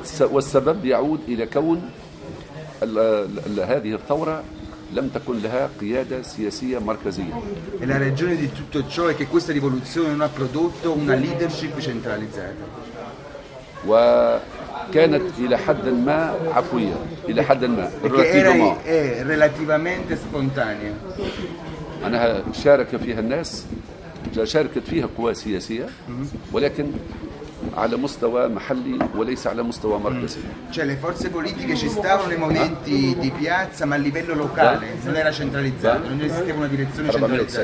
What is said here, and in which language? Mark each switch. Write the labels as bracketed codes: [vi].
[ar] والسبب يعود إلى كون هذه الثورة لم تكن لها قيادة سياسية مركزية. [it] E la ragione di tutto ciò è che questa rivoluzione non ha prodotto una leadership centralizzata. [ar] و كانت إلى حد ما عفوية، إلى حد ما [it] relativamente spontanea. [ar] أنا شارك فيها الناس، شاركت فيها قوى سياسية، ولكن على مستوى محلي وليس على مستوى مركزي. [it] Cioè le forze politiche ci stavano nei movimenti di piazza ma a livello locale, non era centralizzato, non esisteva una direzione centralizzata.